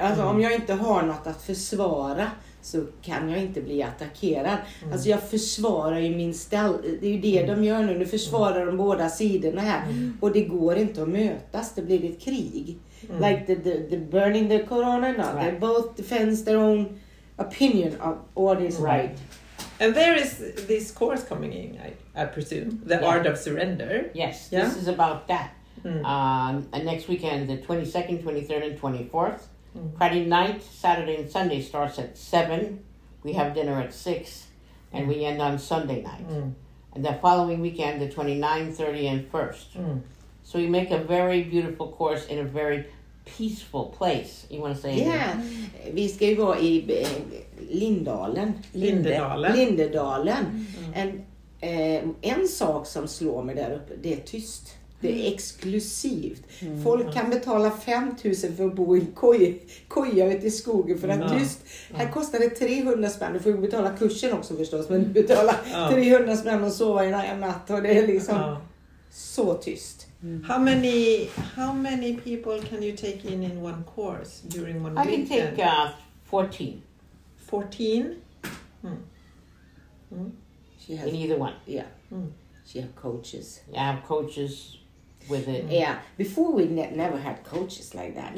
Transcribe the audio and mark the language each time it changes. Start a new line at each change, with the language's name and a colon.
Swedish: Alltså, om jag inte har något att försvara så kan jag inte bli attackerad. Mm. Alltså jag försvarar ju min ställ... Det är ju det de gör nu. Nu försvarar de båda sidorna här. Mm. Och det går inte att mötas. Det blir ett krig.
English: Mm. Like the burning the corona. No? Right. They both defend their own opinion of what is right. And there is this course coming in, I presume. The Art of Surrender. Yes, this is about that. And next weekend, the 22nd, 23rd, and 24th. Friday night, Saturday and Sunday starts at 7. We have dinner at 6. And we end on Sunday night. Mm. And the following weekend, the 29th, 30th, and 1st. Mm. So we make a very beautiful course in a very peaceful place. You want to say anything? Yeah.
Swedish: Vi ska ju vara I Lindalen. Lindedalen. And en sak som slår mig där uppe, det är tyst. Det är exklusivt. Mm. Folk kan betala 5 000 för att bo i koja ute i skogen för att just här kostar det 300 spänn. Du får ju betala kursen också förstås, men du betalar 300 spänn och sova i en natt och det är liksom så tyst. Mm.
English: How many people can you take in one course during one weekend? I can take 14. 14? In either one. Yeah. Mm. She have coaches. Yeah, I have coaches. With it. Mm. Yeah, before we never had coaches like that.